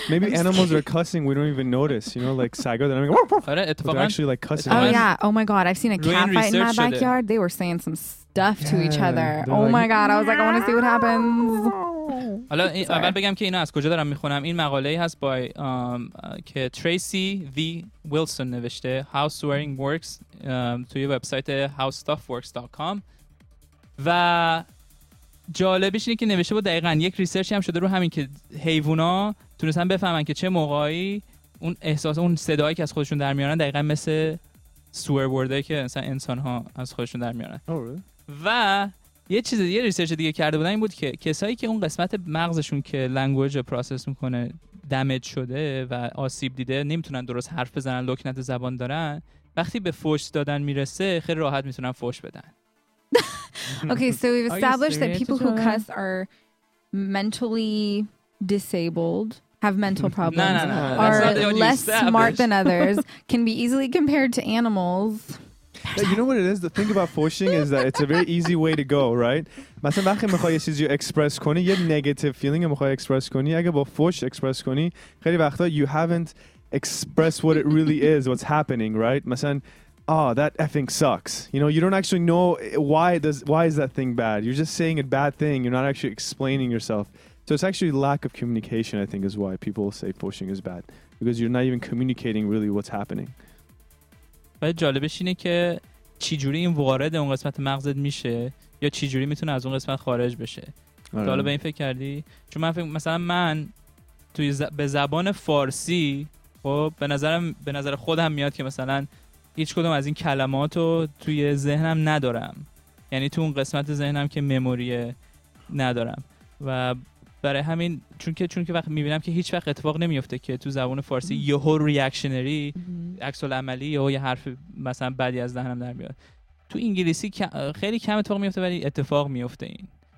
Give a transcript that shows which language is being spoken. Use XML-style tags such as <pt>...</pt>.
<en>Maybe animals are cussing, we don't even notice. You know, like Sago, they're like, woof, woof. They're actually like cussing. Oh yeah, oh my god. I've seen a cat fight in my backyard. They were saying some stuff to each other. Oh my god, I was like, I want to see what happens.</en> <fa>حالا اول بگم که اینا از کجا دارم میخونم. این مقاله هست با که تریسی وی ویلسون نوشته. How Swearing Works توی وبسایت howstuffworks.com. و جالبش اینه که نوشته بود دقیقاً یک ریسرچی هم شده رو همین که حیوانا تونستن بفهمن که چه موقعی اون احساس اون صدایی که از خودشون در میارن دقیقاً مثل swear word‌هایی که مثلا انسان‌ها از خودشون در میارن.</fa> <en>Oh, really?</en> <fa>و یه چیز دیگه ریسرچ دیگه کرده بودن این بود که کسایی که اون قسمت مغزشون که لنگویج رو پروسس میکنه دمیج شده و آسیب دیده، نمیتونن درست حرف بزنن، لکنت زبان دارن، وقتی به فوش دادن میرسه خیلی راحت میتونن فوش بدن.</fa> <en>Okay, so we've established that people who cuss are mentally disabled, have mental problems, no. are less smart than others, can be easily compared to animals. You know what it is? The thing about fushing is that it's a very easy way to go, right?</en> <fa>مثلا وقتی میخوای یه چیزی رو اکسپرس کنی، یه نگاتیو فیلینگ رو میخوای اکسپرس کنی، اگه با فوش اکسپرس کنی، خیلی وقتا</fa> <en>you haven't expressed what it really is, what's happening, right?</en> <fa>مثلا</fa> <en>oh, that effing sucks. You know, you don't actually know why is that thing bad. You're just saying a bad thing. You're not actually explaining yourself. So it's actually lack of communication, I think, is why people say pushing is bad. Because you're not even communicating really what's happening. But</en> <fa>جالبش اینه که چی جوری این وارد اون قسمت مغزت میشه یا چی جوری میتونه از اون قسمت خارج بشه. حالا به این فکر کردی؟ چون من فکر مثلا من توی به زبان فارسی خب به نظر خودم میاد که مثلا هیچ کدوم از این کلمات رو توی ذهنم ندارم، یعنی تو اون قسمت ذهنم که مموری ندارم، و برای همین چون که وقت میبینم که هیچ وقت اتفاق نمیفته که تو زبان فارسی یهو ریاکشنری عکس العملی یهو یه حرف مثلا بدی از ذهنم در میاد. تو انگلیسی خیلی کم اتفاق میفته ولی اتفاق میفته. این</fa>